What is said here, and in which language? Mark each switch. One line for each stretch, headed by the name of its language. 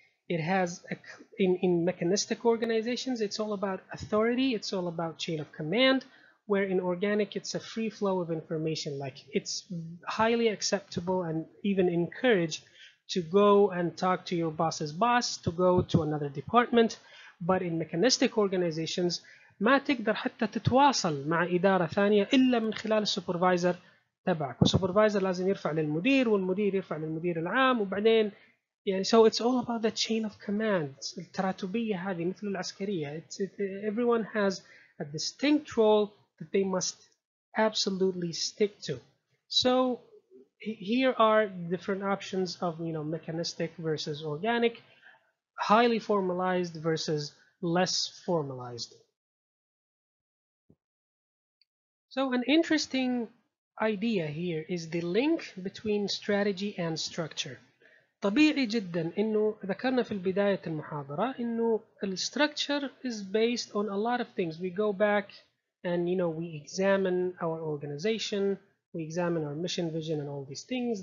English: It has, in mechanistic organizations, it's all about authority, it's all about chain of command, where in organic, it's a free flow of information. Like, it's highly acceptable and even encouraged to go and talk to your boss's boss, to go to another department. But in mechanistic organizations,
Arabic: ما تقدر حتى تتواصل مع إدارة ثانية إلا من خلال السوبرفايزر تبعك. والسوبرفايزر لازم يرفع للمدير، والمدير يرفع للمدير العام، وبعدين يعني
English: so it's all about the chain of command.
Arabic: التراتبية هذه مثل العسكرية.
English: Everyone has a distinct role that they must absolutely stick to. So here are different options of mechanistic versus organic, highly formalized versus less formalized. So an interesting idea here is the link between strategy and structure.
Arabic: طبيعي جدا انه ذكرنا في البداية المحاضرة انه الstructure
English: is based on a lot of things. We go back and we examine our organization, we examine our mission, vision, and all these things.